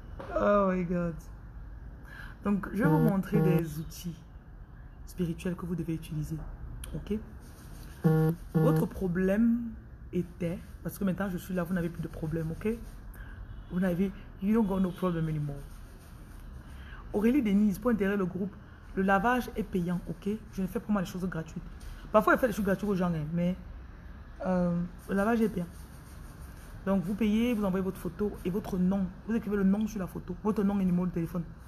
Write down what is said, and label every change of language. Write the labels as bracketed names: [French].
[English] Oh my God. [French] Donc, je vais vous montrer des outils spirituels que vous devez utiliser. Ok? Votre problème était, parce que maintenant je suis là, vous n'avez plus de problème, ok? Vous n'avez, [English] you don't got no problem anymore. [French] Aurélie Denise, pour intégrer le groupe, le lavage est payant, ok? Je ne fais pas moi les choses gratuites. Parfois, je fais des choses gratuites aux gens, hein, mais le lavage est payant. Donc, vous payez, vous envoyez votre photo et votre nom. Vous écrivez le nom sur la photo, votre nom et numéro de téléphone.